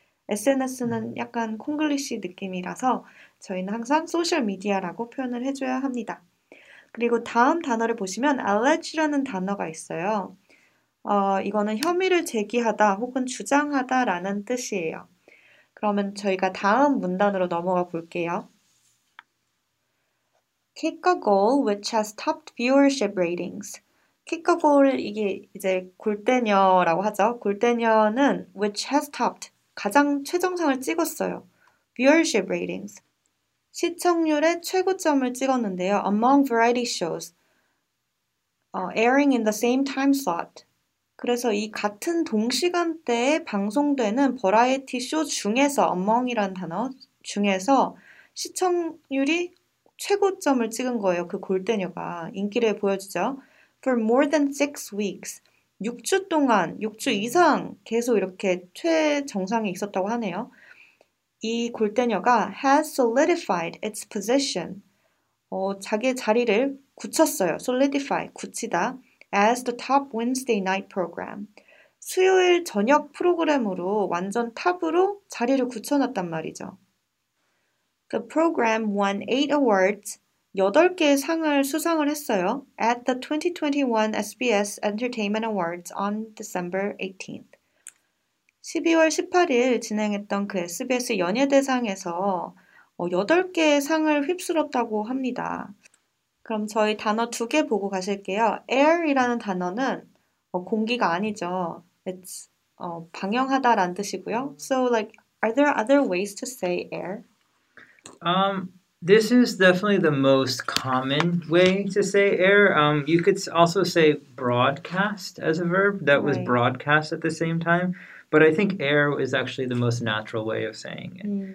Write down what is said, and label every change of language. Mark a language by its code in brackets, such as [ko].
[ko] SNS는 약간 콩글리시 느낌이라서 저희는 항상 소셜미디어라고 표현을 해줘야 합니다. 그리고 다음 단어를 보시면 allege라는 단어가 있어요. 이거는 혐의를 제기하다 혹은 주장하다라는 뜻이에요. 그러면 저희가 다음 문단으로 넘어가 볼게요. [en] Kick a goal which has topped viewership ratings. Kick a goal, [ko] 이게 이제 골대녀라고 하죠. 골대녀는 [en] which has topped, [ko] 가장 최정상을 찍었어요. [en] Viewership ratings, [ko] 시청률의 최고점을 찍었는데요. [en] Among variety shows, airing in the same time slot. [ko] 그래서 이 같은 동시간대에 방송되는 버라이어티 쇼 중에서 among이라는 단어 중에서 시청률이 최고점을 찍은 거예요. 그 골대녀가 인기를 보여주죠. [en] For more than 6 weeks, [ko] 6주 동안, 6주 이상 계속 이렇게 최정상에 있었다고 하네요. 이 골대녀가 [en] has solidified its position. [ko] 자기의 자리를 굳혔어요. [en] solidify, [ko] 굳히다. [en] As the top Wednesday night program. [ko] 수요일 저녁 프로그램으로 완전 탑으로 자리를 굳혀놨단 말이죠. [en] The program won 8 awards. [ko] 8개의 상을 수상을 했어요. [en] At the 2021 SBS Entertainment Awards on December 18th. [ko] 12월 18일 진행했던 그 SBS 연예대상에서 8개의 상을 휩쓸었다고 합니다. 그럼 저희 단어 2개 보고 가실게요. air이라는 단어는 공기가 아니죠. [en] It's [ko] 방영하다라는 뜻이고요. [en] So like, are there other ways to say air? This is definitely the most common way to say air. You could also say broadcast as a verb that was Right. broadcast at the same time, but I think air is actually the most natural way of saying it.